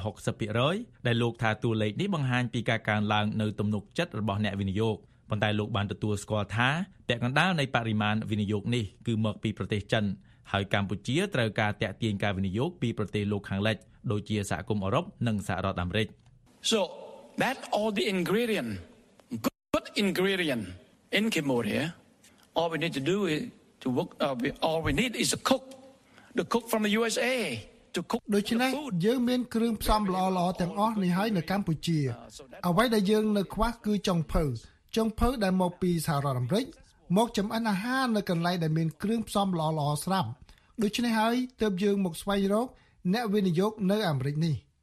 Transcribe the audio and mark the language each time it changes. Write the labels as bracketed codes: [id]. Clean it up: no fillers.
[km] 160% ដែលលោកថាតួលេខនេះបង្ហាញពីការកើនឡើងនៅទំនុកចិត្តរបស់អ្នកវិនិយោគប៉ុន្តែលោកបានទទួលស្គាល់ថាតែកណ្ដាលនៃបរិមាណវិនិយោគនេះគឺមកពីប្រទេសចិនហើយកម្ពុជាត្រូវការតាក់ទាញការវិនិយោគពីប្រទេសលោកខាងលិចដូចជាសហគមន៍អឺរ៉ុបនិងសហរដ្ឋអាមេរិក [en] So that all the ingredient good ingredient in Cambodia all we need to do is to work all we need is a cook the cook from the USA to cook [km] ដូច្នេះយើងមានគ្រឿងផ្សំល្អៗទាំងអស់នេះហើយនៅកម្ពុជាអ្វីដែលយើងនៅខ្វះគឺចុងភៅចុងភៅដែលមកពីសហរដ្ឋអាមេរិកមកចំអិនអាហារនៅកន្លែងដែលមានគ្រឿងផ្សំល្អៗស្រាប់ដូច្នេះហើយទើបយើងមកស្វែងរកអ្នកវិនិយោគនៅអាមេរិកនេះ